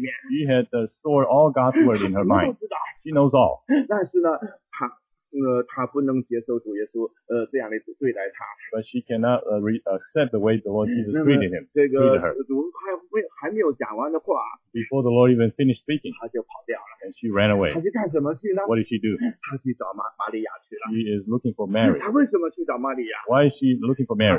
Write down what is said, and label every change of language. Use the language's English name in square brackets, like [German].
[English] She had stored all God's word in her mind. She knows all. [Chinese] 但是呢, 他不能接受主耶稣, 这样的对待他, [English] but she cannot accept the way the Lord Jesus treated him, [Chinese] 这个, [English] treated her. [Chinese] 还没有讲完的话, [English] before the Lord even finished speaking, [Chinese] 他就跑掉了, [English] and she ran away. [Chinese] 他去干什么去呢? [English] What did she do? [Chinese] 他去找玛利亚去了, [English] she is looking for Mary. [Chinese] 他为什么去找玛利亚? [English] Why is she looking for Mary?